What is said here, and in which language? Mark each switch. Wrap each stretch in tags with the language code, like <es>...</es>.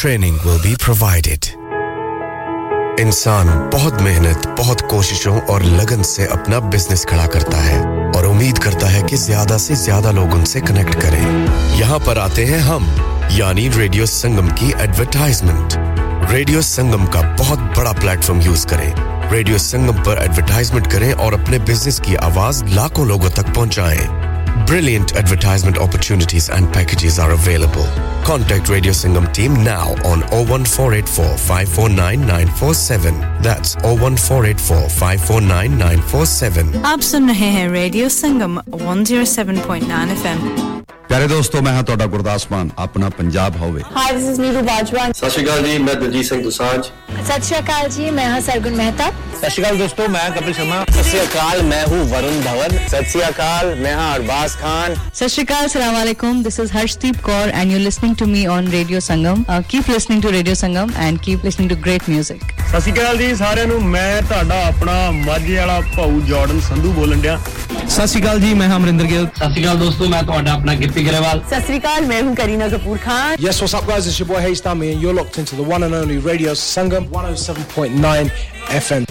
<en>Training will be provided.</en> <hi>इंसान बहुत मेहनत, बहुत कोशिशों और लगन से अपना बिजनेस खड़ा करता है और उम्मीद करता है कि ज्यादा से ज्यादा लोग उनसे कनेक्ट करें. यहां पर आते हैं हम, यानी रेडियो संगम की एडवर्टाइजमेंट. रेडियो संगम का बहुत बड़ा प्लेटफॉर्म यूज करें. रेडियो संगम पर एडवर्टाइजमेंट करें और अपने बिजनेस की आवाज लाखों लोगों तक पहुंचाएं.</hi> <en>Brilliant advertisement opportunities and packages are available. Contact Radio Sangam team now on 01484-549-947. That's 01484-549-947.</en> <hi>आप सुन रहे हैं Radio Sangam 107.9 FM. प्यारे दोस्तों, मैं हूं तोड़ा गुरदास मान, अपना पंजाब होवे.</hi> <en>Hi, this is Neeru Bajwa.</en> <hi>सत श्री अकाल जी, मैं दिलजीत सिंह दोसांझ. सत श्री अकाल जी, मैं हूं सरगुण मेहता. सत श्री अकाल दोस्तों, मैं कपिल शर्मा. सत श्री अकाल, मैं हूं वरुण धवन. सत श्री अकाल, मैं हूं अरबाज खान.</hi> <en>सत श्री अकाल, अस्सलाम वालेकुम, this is Harshdeep Kaur and you listening to me on radio Sangam. Keep listening to radio Sangam and keep listening to great music.</en> <pa>ਸਸਿਕਾਲ ਜੀ ਸਾਰਿਆਂ ਨੂੰ ਮੈਂ ਤੁਹਾਡਾ ਆਪਣਾ ਮਾਝੇ ਵਾਲਾ ਭਾਊ ਜਾਰਡਨ ਸੰਧੂ ਬੋਲਣ ਡਿਆ ਸਸਿਕਾਲ ਜੀ ਮੈਂ ਅਮਰਿੰਦਰ ਗਿੱਲ ਸਸਿਕਾਲ ਦੋਸਤੋ ਮੈਂ ਤੁਹਾਡਾ ਆਪਣਾ ਗਿੱਪੀ ਗਰੇਵਾਲ</pa> <hi>ਸਸਿਕਾਲ ਮੈਂ ਹੂੰ Kareena Kapoor Khan</hi> <en>yes what's up guys it's your boy hey ਇਸਤਾਮੀ and you're locked into the one and only radio Sangam 107.9 FM</en>